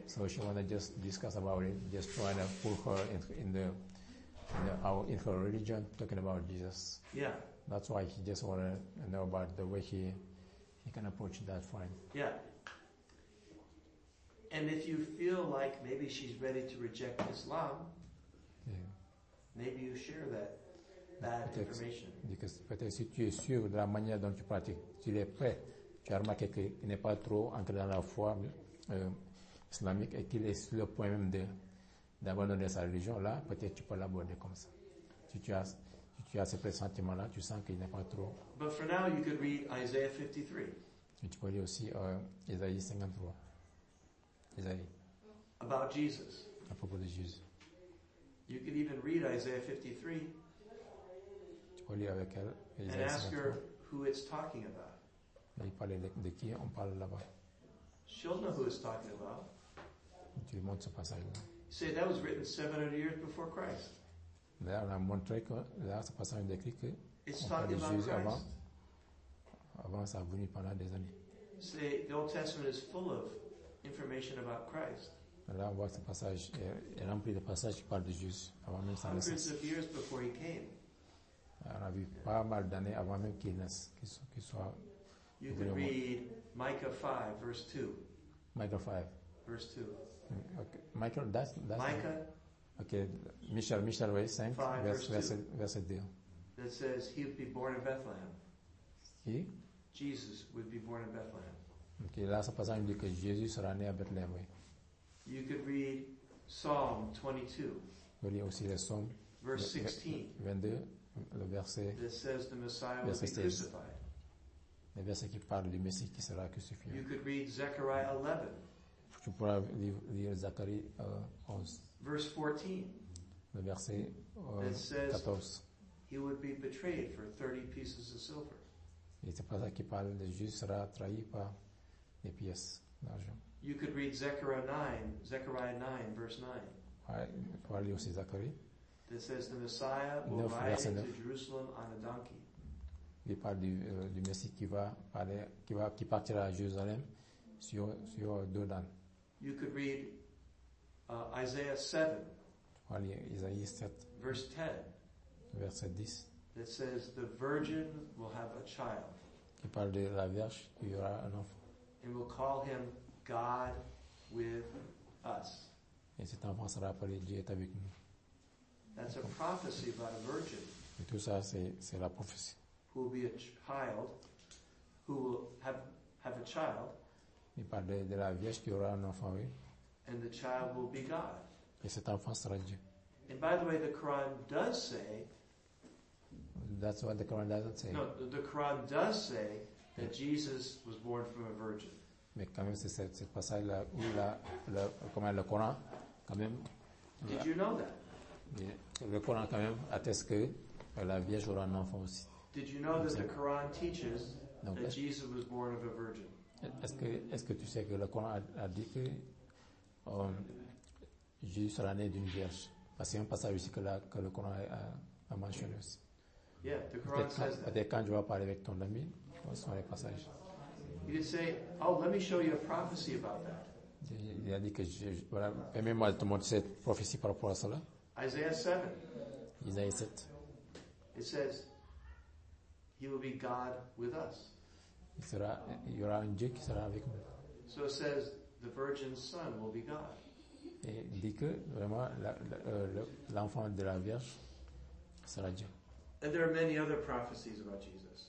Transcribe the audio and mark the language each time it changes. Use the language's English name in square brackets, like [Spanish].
[English] So she wanted to just discuss about it, just trying to pull her in her religion, talking about Jesus. Yeah. That's why she just wanted to know about the way he can approach that friend. Yeah. And if you feel like maybe she's ready to reject Islam, yeah, maybe you share that. [French] Because peut-être si tu es sûr de la manière dont tu pratiques, tu es prêt, tu as remarqué qu'il n'est pas trop ancré dans la foi islamique et qu'il est sur le point même d'abandonner sa religion, là, peut-être tu peux l'aborder comme ça. Si tu as ce pressentiment-là, tu sens qu'il n'est pas trop. [English] But for now, you could read Isaiah 53. [French] Et tu peux lire aussi Isaïe 53. Isaïe. [English] About Jesus. [French] À propos de Jésus. [English] You could even read Isaiah 53. [French] Avec elle, [English] and ask her who it's talking about. [French] De qui on parle là-bas. [English] She'll know who it's talking about. [French] Tu lui montres ce passage-là. [English] Say that was written 700 years before Christ. [French] Là, on a montré que là, ce passage est écrit que [English] it's talking about [French] Jésus Christ. Avant, ça a venu pendant des années. [English] Say the Old Testament is full of information about Christ. [French] Là, on voit que ce passage est rempli de passages qui parlent de Jésus avant même sa naissance. [English] Hundreds of years before he came. [French] On a vu pas mal d'années avant même qu'il naisse, qu'il soit. [English] You can read Micah 5, verse 2. Micah 5. Verse 2. Okay. Michael, that's Micah. Okay. Michel, wait, 5, verse 2. That says he would be born in Bethlehem. He? Jesus would be born in Bethlehem. [French] Okay, là, ce passage dit que Jésus sera né à Bethlehem, oui. [English] You could read Psalm 22. [French] Vous lisez aussi le psaume. [English] Verse 16. [French] 22. Le verset, [English] this says the Messiah [French] verset [English] will be crucified. [French] Le verset qui parle du Messie qui sera crucifié. [English] You could read Zechariah 11. [French] Tu pourras lire Zacharie 11. [English] Verse 14. [French] Le verset 14. [English] He would be betrayed for 30 pieces of silver. [French] Et c'est pas ça qui parle, le juste sera trahi par des pièces d'argent. [English] You could read Zechariah 9, verse 9. [French] Tu pourras lire aussi Zacharie. [English] It says the Messiah will ride into Jerusalem on a donkey. [French] Il parle du Messie qui partira à Jérusalem sur deux ânes. [English] You could read Isaiah 7. [French] Isaïe 7. [English] Verse 10. [French] Verset 10. [English] That says the virgin will have a child. [French] Qui parle de la vierge qui aura un enfant. [English] And we'll call him God with us. [French] Et cet enfant sera appelé Dieu est avec nous. [English] That's a prophecy about a virgin. [French] Et tout ça, c'est la prophétie. [English] Who will be a child? Who will have a child? [French] Il parle de la vierge qui aura un enfant, oui. [English] And the child will be God. [French] Et cet enfant sera Dieu. [English] And by the way, the Quran does say. That's what the Quran doesn't say. No, the Quran does say that Jesus was born from a virgin. [French] Mais quand même, c'est ce passage-là où le Coran, quand même. [English] Did you know that? [French] Le Coran, quand même, atteste que la Vierge aura un enfant aussi. [English] Did you know that the Quran teaches that Jesus was born of a virgin? [French] Est-ce que tu sais que le Coran a dit que Jésus sera né d'une vierge? Parce qu'il y a un passage ici que le Coran a mentionné aussi. [English] Yeah, the Quran [French] peut-être [English] says [French] quand, [English] that. [French] Quand tu vas parler avec ton ami, quels sont les passages? [English] He did say, oh, let me show you a prophecy about that. [French] Il a dit que voilà, permets-moi de te montrer cette prophétie par rapport à cela. [English] Isaiah 7. Isaiah 7. It says, he will be God with us. [French] Il y aura un Dieu qui sera avec nous. [English] So it says, the virgin's son will be God. [French] Et il dit que vraiment l'enfant de la Vierge sera Dieu. [English] And there are many other prophecies about Jesus.